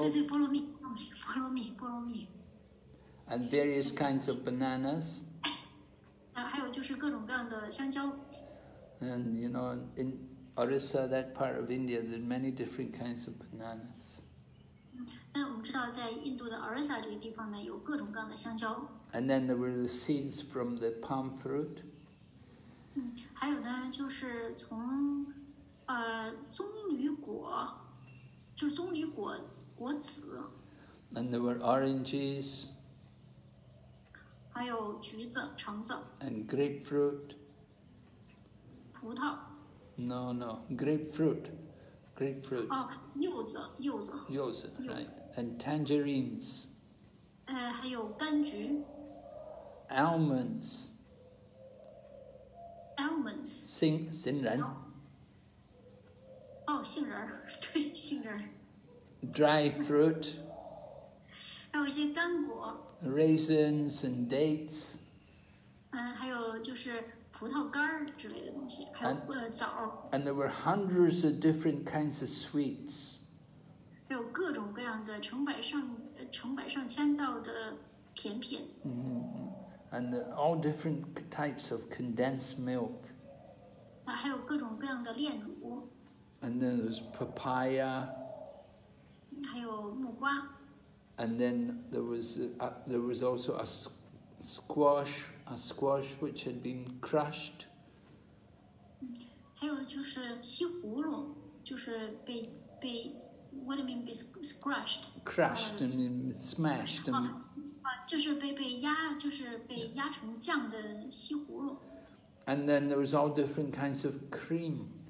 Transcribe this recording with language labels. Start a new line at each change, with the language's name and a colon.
Chinese: 对对，菠萝蜜，菠萝蜜，菠萝蜜。
English: And various kinds of bananas.
Chinese: 还有就是各种各样的香蕉。
English: And you know, in Orissa, that part of India, there are many different kinds of bananas.
Chinese: 但我们知道，在印度的 Orissa 这个地方呢，有各种各样的香蕉。
English: And then there were the seeds from the palm fruit.
Chinese: 还有呢，就是从棕榈果，就是棕榈果果籽。
English: And there were oranges.
Chinese: 还有橘子、橙子。
English: And grapefruit.
Chinese: 葡萄。
English: No, no, grapefruit, grapefruit.
Chinese: 柚子，柚子。
English: 柚子 ，right. And tangerines.
Chinese: 还有柑橘。
English: Almonds. Almonds.
Chinese: 杏仁。哦，杏仁，对，杏仁。
English: Dry fruit.
Chinese: 还有一些干果。
English: Raisins and dates.
Chinese: 还有就是葡萄干之类的东西，还有枣。
English: And there were hundreds of different kinds of sweets.
Chinese: 还有各种各样的成百上千道的甜品。
English: And all different types of condensed milk.
Chinese: 还有各种各样的炼乳。
English: And then there's papaya.
Chinese: 还有木瓜。
English: And then there was also a squash which had been crushed.
Chinese: 还有就是西葫芦，就是被
English: what do you mean by crushed? Crushed and then smashed and.
Chinese: 就是被压成酱的西葫芦。
English: And then there was all different kinds of cream.